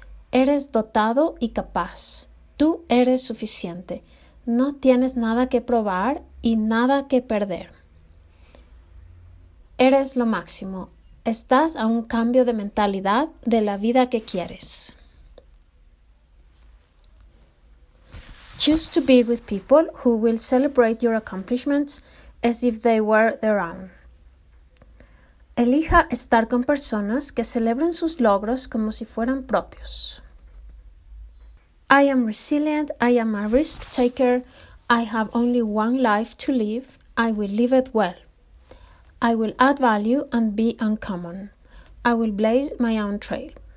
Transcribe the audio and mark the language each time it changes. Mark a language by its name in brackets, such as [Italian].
[Spanish] Eres dotado y capaz. Tú eres suficiente. No tienes nada que probar y nada que perder. Eres lo máximo. Estás a un cambio de mentalidad de la vida que quieres. [English] Choose to be with people who will celebrate your accomplishments as if they were their own. [Spanish] Elija estar con personas que celebren sus logros como si fueran propios. [English] I am resilient, I am a risk taker, I have only one life to live, I will live it well. I will add value and be uncommon. I will blaze my own trail.